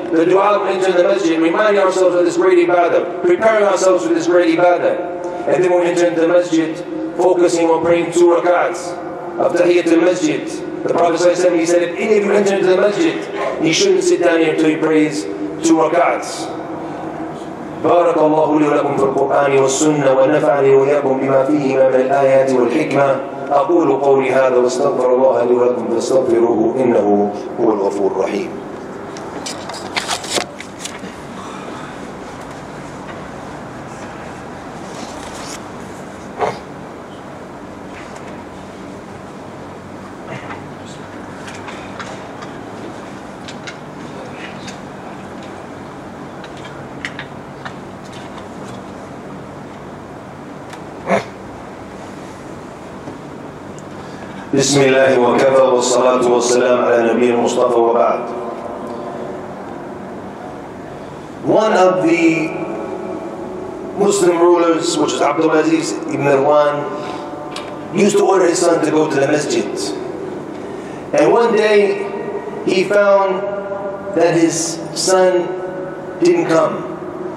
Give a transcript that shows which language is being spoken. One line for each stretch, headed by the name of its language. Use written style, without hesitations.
English: The dua of entering the masjid, reminding ourselves of this great ibadah, preparing ourselves for this great ibadah. And then we'll enter into the masjid, focusing on praying two rakats of tahiyyat al-masjid. The Prophet ﷺ, he said, if any of you enter into the masjid, he shouldn't sit down here until he prays two rakats.
Arabic: بارك الله لي ولكم في القرآن والسنة ونفعني وإياكم بما فيهما من الآيات والحكمة أقول قولي هذا واستغفر الله لي ولكم فاستغفروه إنه هو الغفور الرحيم. بسم الله وكفى والصلاة والسلام على نبي المصطفى وبعد.
English: One of the Muslim rulers, which is Abdulaziz ibn Marwan, used to order his son to go to the masjid. And one day he found that his son didn't come.